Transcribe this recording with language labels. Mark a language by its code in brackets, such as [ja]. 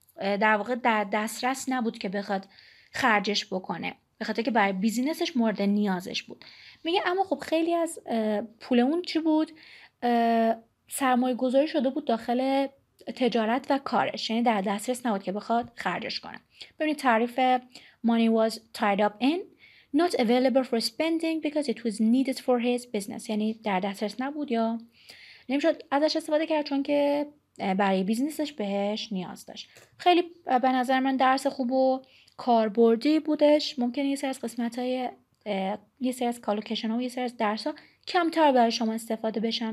[fa] در واقع در دسترس نبود که بخواد خرجش بکنه. به خاطر که برای بیزینسش مورد نیازش بود. میگه اما خب خیلی از پول اون چی بود؟ سرمایه گذاری شده بود داخل تجارت و کارش. یعنی در دسترس نبود که بخواد خرجش کنه. ببینید تعریف [en] money was tied up in not available for spending because it was needed for his business. [fa] یعنی در دسترس نبود یا نمیشد ازش استفاده کرد چون که برای بیزنسش بهش نیاز داشت. خیلی به نظر من درس خوب و کاربردی بودش. ممکنه یه سری از قسمت‌های یه سری از کالوکیشن‌ها و یه سری از درس‌ها کمتر برای شما استفاده بشن.